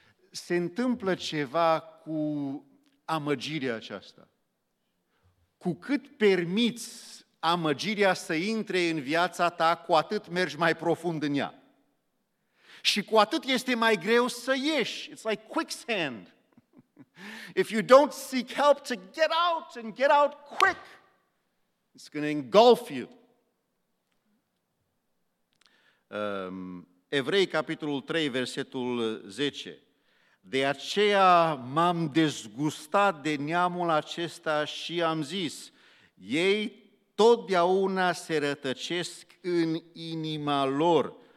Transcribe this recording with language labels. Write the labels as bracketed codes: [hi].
[ro] Se întâmplă ceva cu amăgirea aceasta. Cu cât permiți amăgirea să intre în viața ta, cu atât mergi mai profund în ea. Și cu atât este mai greu să ieși. [en] It's like quicksand. If you don't seek help to get out and get out quick, it's going to engulf you. [ro] Evrei, capitolul 3, versetul 10. De aceea m-am dezgustat de neamul acesta și am zis, ei totdeauna se rătăcesc în inima lor.